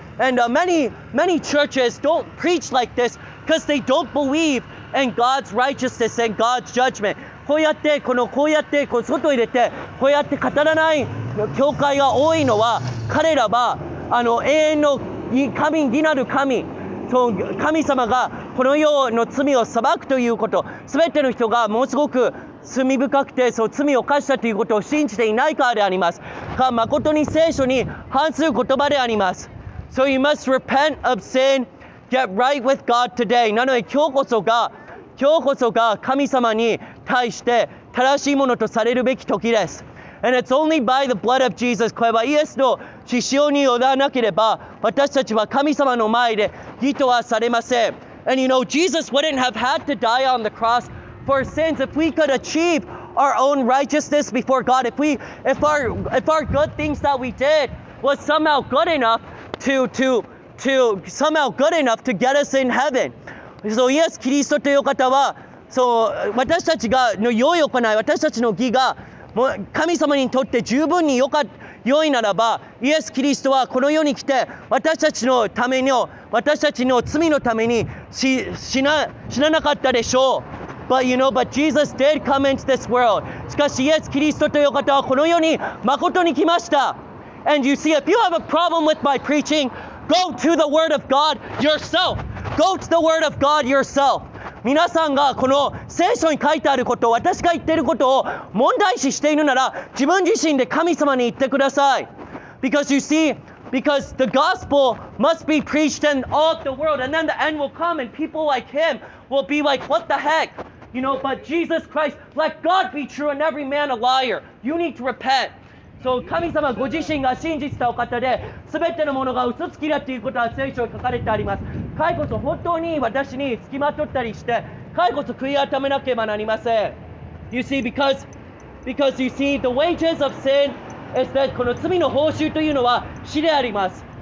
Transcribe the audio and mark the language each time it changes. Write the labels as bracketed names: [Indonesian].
[English] And many churches don't preach like this because they don't believe in God's righteousness and God's judgment. [Japanese] こうやってこのこうやってこう外を入れてこうやって語らない教会が多いのは、彼らはあの永遠の神義なる神、その神様がこの世の罪を裁くということ、全ての人がものすごく罪深くてその罪を犯したということを信じていないからであります。が誠に聖書に反する言葉であります。 [English] So you must repent of sin, get right with God today. [Japanese] なので今日こそが神様に対して正しいものとされるべき時です。 [English] And it's only by the blood of Jesus. [Japanese] これはイエスの血潮に委ねなければ私たちは神様の前で義とはされません。 [English] And you know, Jesus wouldn't have had to die on the cross for sins if we could achieve our own righteousness before God. If our good things that we did was somehow good enough to somehow good enough to get us in heaven. [Japanese] So, イエス・キリストという方は、そう、私たちがの良い行い、私たちの義が、もう神様にとって十分に良いならば、イエス・キリストはこの世に来て、私たちのために、私たちの罪のために死ななかったでしょう。 [English] But you know, but Jesus did come into this world. [Japanese] しかし、イエス・キリストという方はこの世に誠に来ました。 [English] And you see, if you have a problem with my preaching, go to the Word of God yourself. Go to the Word of God yourself. [Japanese] 皆さんがこの聖書に書いてあること、私が言っていることを問題視しているなら、自分自身で神様に言ってください。 [English] Because you see, because the gospel must be preached in all of the world, and then the end will come, and people like him will be like, what the heck? You know, but Jesus Christ, let God be true and every man a liar. You need to repent. [Japanese] So, 神様ご自身が真実なお方で、全てのものが嘘つきだということは聖書に書かれてあります。彼こそ本当に私に付きまとったりして、彼こそ悔い改めなければなりません。 [English] You see, because you see, the wages of sin is that [Japanese] この罪の報酬というのは死であります。